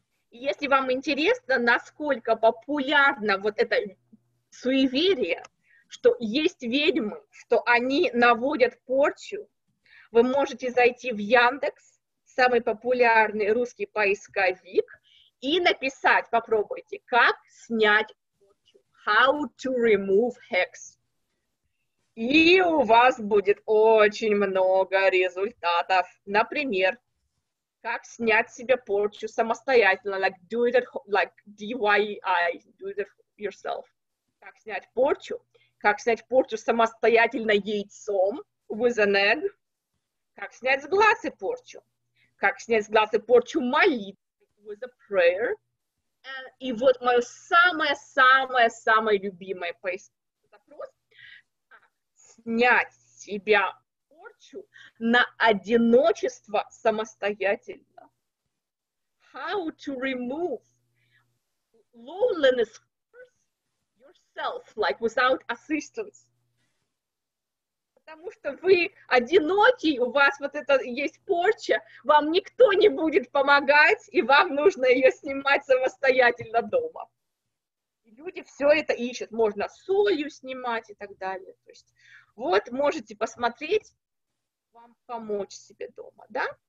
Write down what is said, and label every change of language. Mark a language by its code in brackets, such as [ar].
[ru] Если вам интересно, насколько популярно вот это суеверие, что есть ведьмы, что они наводят порчу, вы можете зайти в Яндекс, самый популярный русский поисковик, и написать, попробуйте, как снять порчу. [en] How to remove hex. [ru] И у вас будет очень много результатов. Например, как снять себе порчу самостоятельно, [en] like do it at home, like DIY, do it yourself. [ru] Как снять порчу? Как снять порчу самостоятельно яйцом, [en] with an egg? [ru] Как снять с глаз и порчу? как снять с глаз и порчу молитвы, [en] with a prayer. [ru] И вот мое самое-самое-самое любимое поисковый запрос — снять с себя порчу на одиночество самостоятельно. [en] How to remove loneliness yourself, like without assistance. [ru] Потому что вы одинокий, у вас вот это есть порча, вам никто не будет помогать, и вам нужно ее снимать самостоятельно дома. И люди все это ищут, можно солью снимать и так далее. То есть, вот можете посмотреть, вам помочь себе дома, да?